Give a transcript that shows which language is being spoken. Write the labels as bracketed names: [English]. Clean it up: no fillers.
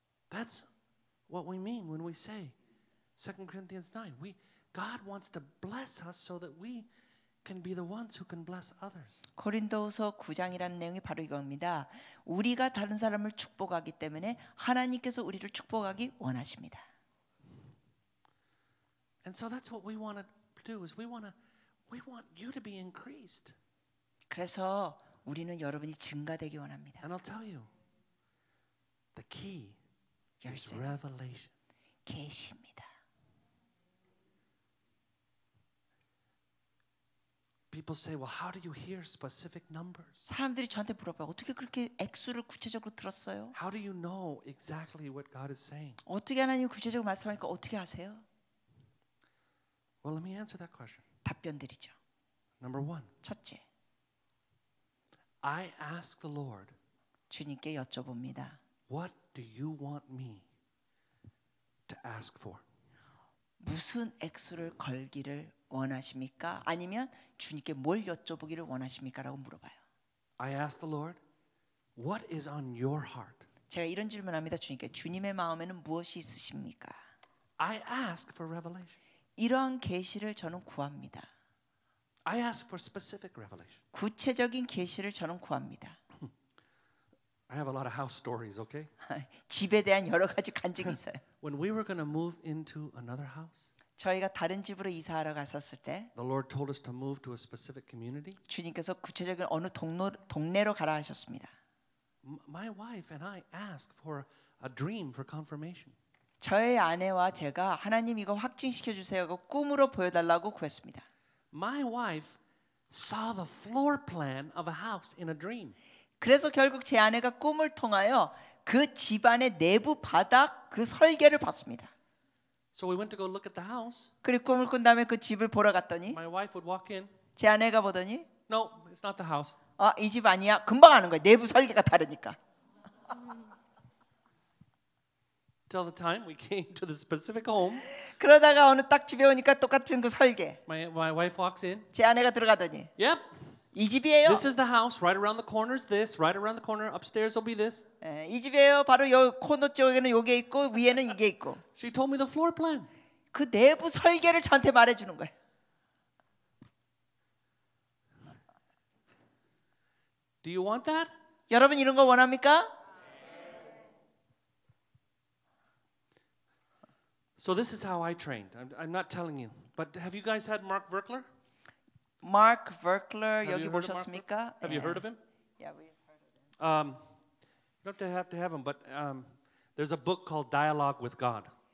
[English] That's what we mean when we say 2 Corinthians 9. God wants to bless us so that we can be the ones who can bless others. [Korean] 고린도서 9장이라는 내용이 바로 이겁니다. 우리가 다른 사람을 축복하기 때문에 하나님께서 우리를 축복하기 원하십니다. [English] And so that's what we want to do is we want you to be increased. [Korean] 그래서 우리는 여러분이 증가되기 원합니다. [English] And I'll tell you the key is revelation. [Korean] 계시입니다. [English] People say, "Well, how do you hear specific numbers?" [Korean] 사람들이 저한테 물어봐요. 어떻게 그렇게 액수를 구체적으로 들었어요? [English] How do you know exactly what God is saying? [Korean] 어떻게 하나님 구체적으로 말씀하니까 어떻게 아세요? [English] Well, let me answer that question. [Korean] 답변 드리죠. [English] Number one. [Korean] 첫째. [English] I ask the Lord. [Korean] 주님께 여쭤봅니다. [English] What do you want me to ask for? [Korean] 무슨 액수를 걸기를 원하십니까? 아니면 주님께 뭘 여쭤보기를 원하십니까라고 물어봐요. [English] I ask the Lord, what is on your heart? [Korean] 제가 이런 질문합니다. 주님께 주님의 마음에는 무엇이 있으십니까? [English] I ask for revelation. [Korean] 이러한 계시를 저는 구합니다. [English] I ask for specific revelation. [Korean] 구체적인 계시를 저는 구합니다. [English] I have a lot of house stories, okay? [Korean] 집에 대한 여러 가지 간증이 있어요. [English] When we were going to move into another house, [Korean] 저희가 다른 집으로 이사하러 갔었을 때 [English] The Lord told us to move to a specific community. [Korean] 주님께서 구체적인 어느 동네로 가라 하셨습니다. [English] My wife and I asked for a dream for confirmation. [Korean] 저의 아내와 제가 하나님 이거 확증시켜 주세요 하고 꿈으로 보여 달라고 구했습니다. [English] My wife saw the floor plan of a house in a dream. [Korean] 그래서 결국 제 아내가 꿈을 통하여 그 집안의 내부 바닥 그 설계를 봤습니다. [English] So we went to go look at the house. [Korean] 그리고 꿈을 꾼 다음에 그 집을 보러 갔더니 [English] My wife would walk in. [Korean] 제 아내가 보더니 [English] No, it's not the house. [Korean] 아, 이 집 아니야. 금방 아는 거야. 내부 설계가 다르니까. [English] Till the time we came to the specific home. [Korean] 그러다가 어느 딱 집에 오니까 똑같은 그 설계. [English] My wife walks in. [Korean] 제 아내가 들어가더니 [English] Yep. [Korean] 이 집이에요. [English] This is the house. Right around the corner is this. Right around the corner upstairs will be this. [Korean] 이 집이에요. 바로 여기 코너 쪽에는 이게 있고 위에는 이게 있고. [English] She told me the floor plan. [Korean] 그 내부 설계를 저한테 말해주는 거예요. [English] Do you want that? [Korean] 여러분 이런 거 원합니까? [English] So this is how I trained. I'm not telling you, but have you guys had Mark Verkler? [Korean] Mark Verkler 여기 보셨습니까? [English] Have you heard of him? You don't have to have them, but there's a book called Dialogue with God.